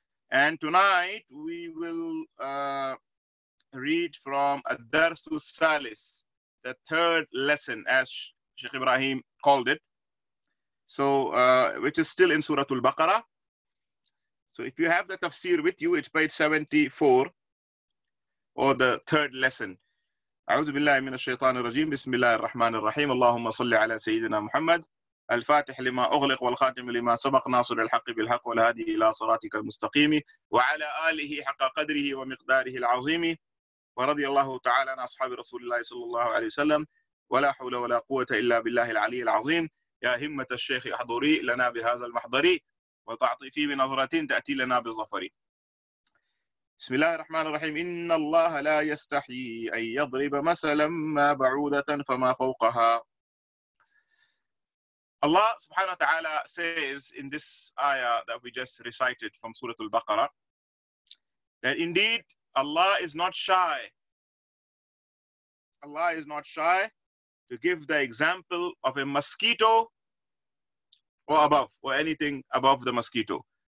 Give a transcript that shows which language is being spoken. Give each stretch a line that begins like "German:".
English: And tonight we will read from
Arabic: ad-darsu salis,
English: the third lesson, as Shaykh Ibrahim called it. So, which is still in Surah Al-Baqarah. So if you have the tafsir with you, it's page 74, or the third lesson.
Arabic: أعوذ بالله من الشيطان الرجيم بسم الله الرحمن الرحيم اللهم صل على سيدنا محمد الفاتح لما أغلق والخاتم لما سبق ناصر الحق بالحق والهادي إلى صراطك المستقيم وعلى آله حق قدره ومقداره العظيم ورضي الله تعالى عن أصحاب رسول الله صلى الله عليه وسلم ولا حول ولا قوة إلا بالله العلي العظيم يا همة الشيخ احضري لنا بهذا المحضري وتعطي فيه بنظرتين تأتي لنا بالظفرين. بسم الله الرحمن الرحيم إن الله لا يستحيي أن يضرب مثلا ما بعوضة فما فوقها.
English: Allah subhanahu wa ta'ala says in this ayah that we just recited from Surah Al-Baqarah that indeed Allah is not shy. Allah is not shy to give the example of a mosquito or above, or anything above the mosquito.